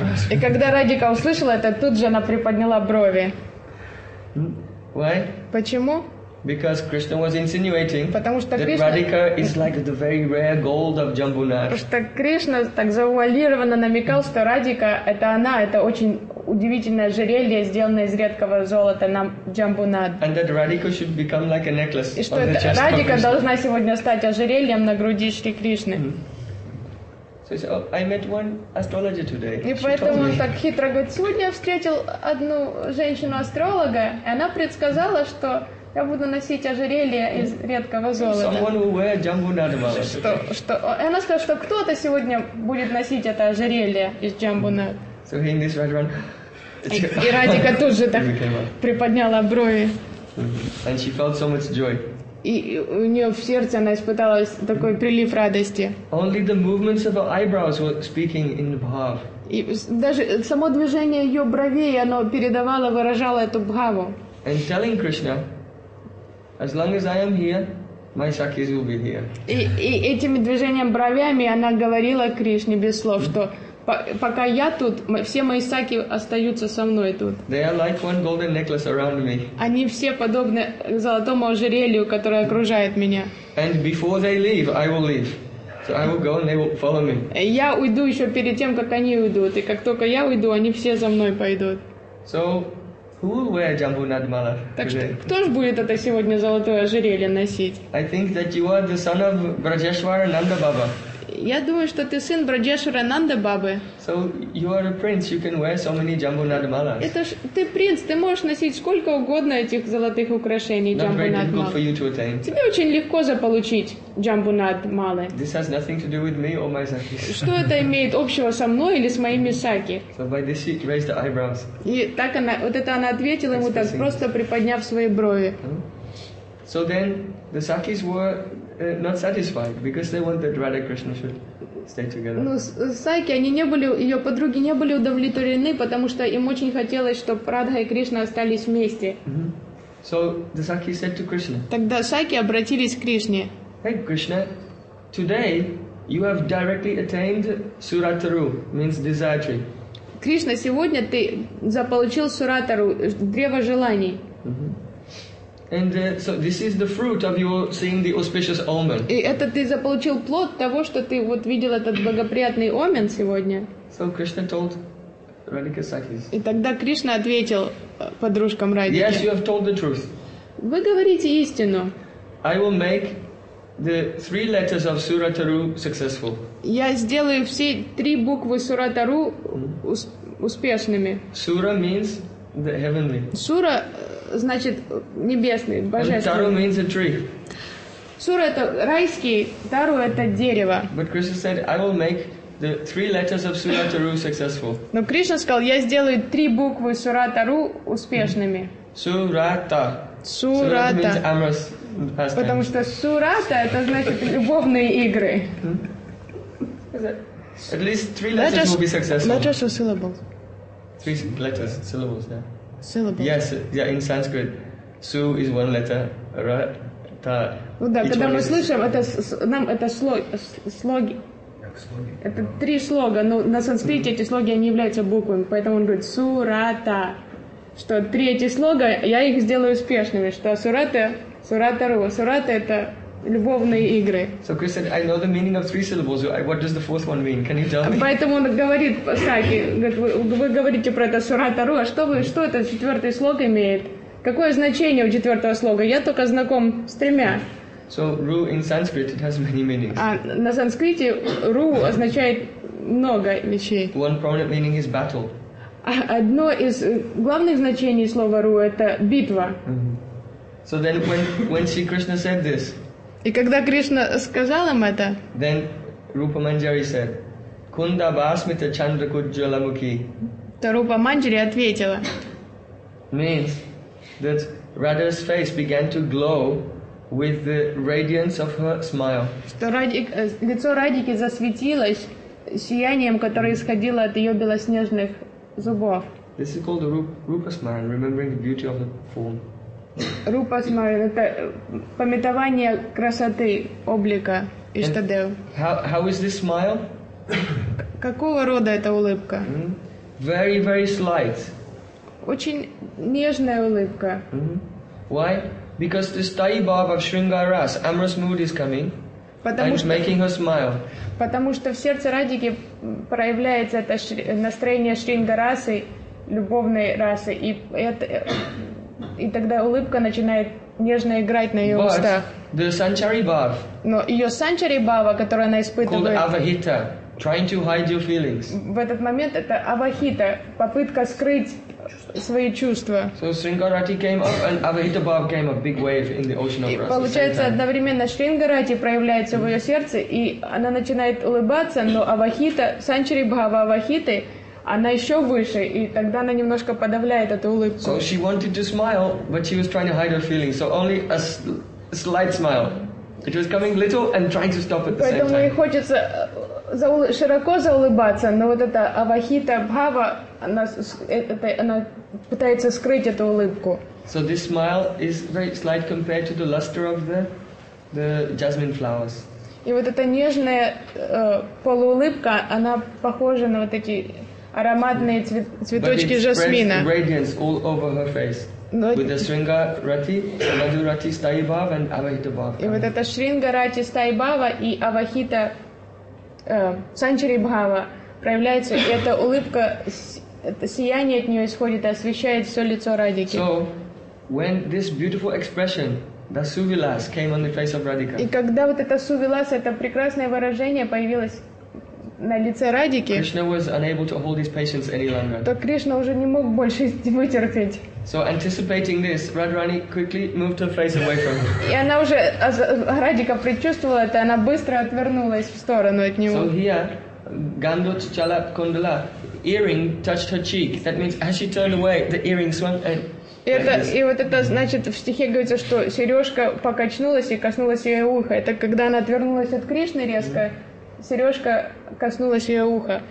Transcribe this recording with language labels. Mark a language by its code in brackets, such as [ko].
[ru] И когда Радика услышала это, тут же она приподняла брови. [en] Why? [ru] Почему? [en] Because Krishna was insinuating [ru] Потому что [en] that [ru] Кришна... [en] Radhika is like the very rare gold of Jambu Nad. [ru] Потому что Кришна так завуалированно намекал, что Радика это она, это очень удивительное ожерелье, сделанное из редкого золота на Jambu Nad. [en] And that Radhika should become like a necklace. [ru] И что Радика должна сегодня стать ожерельем на груди Шри Кришны. [en] So he said, oh, I met one astrologer today. [ru] И поэтому он так хитро говорит, сегодня я встретил одну женщину-астролога, и она предсказала, что я буду носить ожерелье из редкого золота. [en] Someone will wear Jambunadvala. [ru] Она сказала, что кто-то сегодня будет носить это ожерелье из Jambunad. [en] So he in this Rajwan. [ru] И Радика тут же так приподняла брови. [en] And she felt so much joy. [ru] И у нее в сердце она испытала такой прилив радости. [en] Only the movements of her eyebrows were speaking in bhav. [ru] И даже само движение ее бровей, оно передавало, выражало эту бхаву. [en] And telling Krishna, as long as I am here, my sakis will be here. [ru] И этими движениями бровями она говорила Кришне без слов, что пока я тут, все мои саки остаются со мной тут. [en] They are like one golden necklace around me. [ru] Они все подобны золотому ожерелью, которое окружает меня. [en] And before they leave, I will leave. So I will go and they will follow me. [ru] Я уйду еще перед тем, как они уйдут. И как только я уйду, они все за мной пойдут. [en] So, who will wear Jambunadmala today? [ru] Так что, кто же будет это сегодня золотое ожерелье носить? [en] I think that you are the son of Brajeshwara Nanda Baba. [ru] Я думаю, что ты сын Браджешвара Нанда Бабы. [en] So you are a prince, you can wear so many Jambunadmalas. [ru] Это ж ты принц, ты можешь носить сколько угодно этих золотых украшений Jambunadmala. Тебе очень легко заполучить Jambunadmalы. [en] This has nothing to do with me or my saki. [ru] Что это имеет общего со мной или с моими саки? [en] So by this she raised the eyebrows. [ru] И так она, вот это она ответила ему так, просто приподняв свои брови. [en] So then the sakis were not satisfied because they wanted Radha Krishna should stay together. [ru] Ну, саки, они не были, ее подруги не были удовлетворены, потому что им очень хотелось, чтобы Радха и Кришна остались вместе. [en] So the sakis said to Krishna. [ru] Тогда саки обратились к Кришне. [en] Hey Krishna, today you have directly attained Surataru, means desire tree. [ru] Кришна, сегодня ты заполучил Суратару, древо желаний. [en] And so this is the fruit of your seeing the auspicious omen. [ru] И это ты заполучил плод того, что ты вот видел этот благоприятный омен сегодня. [en] So Krishna told Radhika Sakis. [ru] И тогда Кришна ответил подружкам Радики. [en] Yes, you have told the truth. [ru] Вы говорите истину. [en] I will make the three letters of Surataru successful. [ru] Я сделаю все три буквы Surataru успешными. [en] Sura means the heavenly. [ru] Sura значит небесный, божественный. [en] Taru means a tree. [ru] Сура это райский, Taru это дерево. [en] But Krishna said, I will make the three letters of Surataru successful. [ru] Но Кришна сказал, я сделаю три буквы Surataru успешными. [en] Surata. [ru] Surata. [en] Surata means amorous. [ru] Потому что Surata это значит любовные игры. [en] At least three letters will be successful. Not just a syllable. Three letters, syllables, yeah. Syllables. Yes, yeah, in Sanskrit, su is one letter, ra, ta. [ru] Ну да, когда мы слышим, это нам это слог, слоги. Это три слога, но на санскрите эти слоги они являются буквами, поэтому он говорит су, ра, та. Что три эти слога, я их сделаю успешными, что сурата, суратару, сурата это любовные игры. [en] So Chris said, I know the meaning of three syllables. What does the fourth one mean? Can you tell me? [ru] Поэтому он говорит Саки, вы говорите про это Суратару, а что вы, что это четвертый слог имеет? Какое значение у четвертого слога? Я только знаком с тремя. [en] So ru in Sanskrit it has many meanings. [ru] А на санскрите ru означает много вещей. [en] One prominent meaning is battle. [ru] Одно из главных значений слова ru это битва. [en] So then when Sri Krishna said this. [ru] И когда Кришна сказал им это, [en] then Rupa Manjari said, [sa] "Kunda basmita chandra kujjala mukhi." [ru] То Рупа Манджари ответила. [en] Means that Radha's face began to glow with the radiance of her smile. [ru] Что лицо Радики засветилось сиянием, которое исходило от ее белоснежных зубов. [en] This is called Rupa Smaran, remembering the beauty of the form. [ru] Рупа Смарана — это памятование красоты облика Иштадев. [en] How is this smile? [ru] Какого рода эта улыбка? [en] Very, very slight. [ru] Очень нежная улыбка. [en] Why? Because the sthayi bhava of Shringara Ras, amorous mood is coming. [ru] Потому [en] and [ru] что, [en] making her smile. [ru] Потому что в сердце Радики проявляется это настроение Шрингарасы, любовной расы, и это. И тогда улыбка начинает нежно играть на ее устах. [en] The Sanchari Bhav, [ru] но ее Санчари Бхава, которую она испытывает, [en] called Avahita, Trying to hide your feelings. [ru] В этот момент это Авахита, попытка скрыть свои чувства. [en] So Шрингарати came up and Авахита Бхав came a big wave in the ocean of [ru] Раса. И получается одновременно Шрингарати проявляется в ее сердце, и она начинает улыбаться, но Авахита, Санчари Бхава Авахиты, она еще выше, и тогда она немножко подавляет эту улыбку. [en] So she wanted to smile, but she was trying to hide her feelings. So only a slight smile. It was coming little and trying to stop at the same time. [ru] Поэтому ей хочется широко заулыбаться, но вот эта Авахита Бхава, она пытается скрыть эту улыбку. [en] So this smile is very slight compared to the luster of the jasmine flowers. [ru] И вот эта нежная полуулыбка, она похожа на вот эти ароматные цветочки жасмина. [en] But it spreads radiance all over her face. With the Shringa Rati, Madhu Rati Stai Bhava and Avahita Bhava. [ru] И вот эта Шринга Рати Стай Бхава и Авахита Санчари Бхава проявляется, и эта улыбка, это сияние от нее исходит и освещает все лицо Радики. [en] So, when this beautiful expression, the Suvilas, came on the face of Radhika. [ru] И когда вот это Suvilas, это прекрасное выражение появилось на лице Радики, [en] Krishna was unable to hold his patience any longer. [ru] То Кришна уже не мог больше вытерпеть. [en] So anticipating this, Radharani quickly moved her face away from him. [ru] И она уже, Радика предчувствовала это, она быстро отвернулась в сторону от него. [en] So here, Gandot Chala Kundala, earring touched her cheek. That means as she turned away, the earring swung and [ru] это, и вот это значит, в стихе говорится, что сережка покачнулась и коснулась ее уха. Это когда она отвернулась от Кришны резко, сережка коснулась ее уха.